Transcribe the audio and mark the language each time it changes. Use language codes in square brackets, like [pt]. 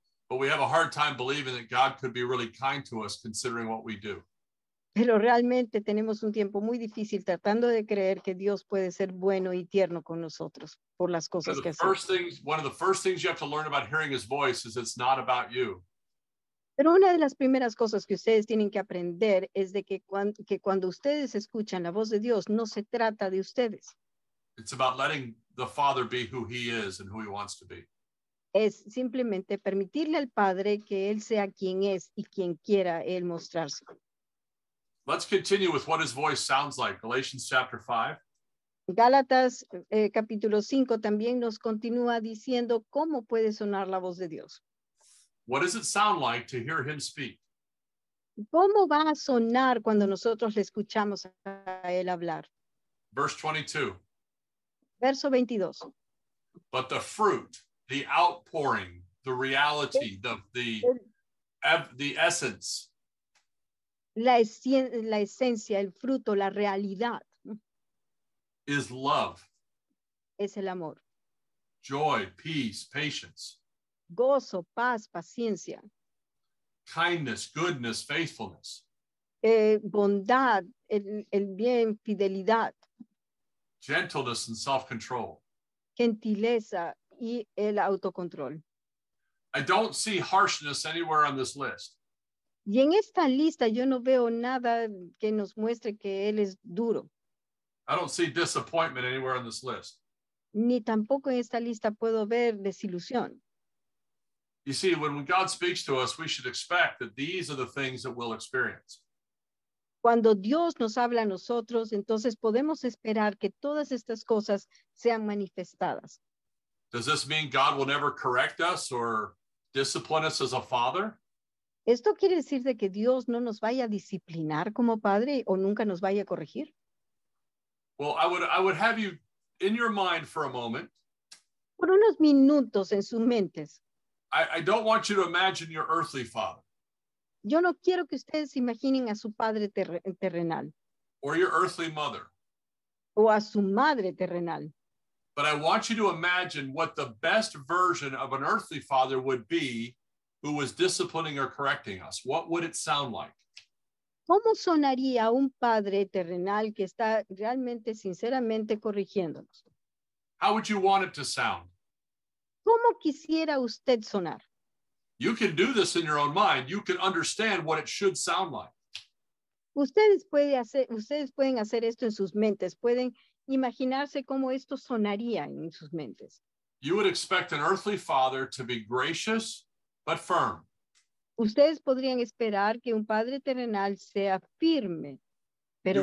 [en] But we have a hard time believing that God could be really kind to us considering what we do. [es] Pero realmente tenemos un tiempo muy difícil tratando de creer que Dios puede ser bueno y tierno con nosotros por las cosas que hacemos. [en] One of the first things you have to learn about hearing his voice is it's not about you. [es] Pero una de las primeras cosas que ustedes tienen que aprender es de que cuando ustedes escuchan la voz de Dios, no se trata de ustedes. [en] It's about letting the Father be who he is and who he wants to be. [es] Es simplemente permitirle al Padre que él sea quien es y quien quiera él mostrarse. [en] Let's continue with what his voice sounds like. Galatians chapter 5. [es] Gálatas capítulo 5 también nos continúa diciendo cómo puede sonar la voz de Dios. [en] What does it sound like to hear him speak? [es] ¿Cómo va a sonar cuando nosotros le escuchamos a él hablar? [en] Verse 22. [es] Verso 22. [en] But the fruit, the outpouring, the reality, the essence. [es] La esencia, el fruto, la realidad. [en] Is love. [es] Es el amor. [en] Joy, peace, patience. [es] Gozo, paz, paciencia. [en] Kindness, goodness, faithfulness. [es] Bondad, el bien, fidelidad. [en] Gentleness and self-control. [es] Gentileza y el autocontrol. [en] I don't see harshness anywhere on this list. [es] Y en esta lista yo no veo nada que nos muestre que él es duro. [en] I don't see disappointment anywhere on this list. [es] Ni tampoco en esta lista puedo ver desilusión. [en] You see, when God speaks to us, we should expect that these are the things that we'll experience. [es] Cuando Dios nos habla a nosotros, entonces podemos esperar que todas estas cosas sean manifestadas. [en] Does this mean God will never correct us or discipline us as a father? [es] ¿Esto quiere decir de que Dios no nos vaya a disciplinar como padre o nunca nos vaya a corregir? [en] Well, I would have you in your mind for a moment. [es] Por unos minutos en sus mentes. [en] I don't want you to imagine your earthly father. [es] Yo no quiero que ustedes imaginen a su padre terrenal. [en] Or your earthly mother. [es] O a su madre terrenal. [en] But I want you to imagine what the best version of an earthly father would be who was disciplining or correcting us. What would it sound like? [es] ¿Cómo sonaría un padre terrenal que está realmente, sinceramente corrigiéndonos? [en] How would you want it to sound? [es] ¿Cómo quisiera usted sonar? [en] You can do this in your own mind. You can understand what it should sound like. [es] Ustedes pueden hacer esto en sus mentes. Pueden imaginarse cómo esto sonaría en sus mentes. [en] You would expect an earthly father to be gracious but firm. [es] Ustedes podrían esperar que un padre terrenal sea firme, pero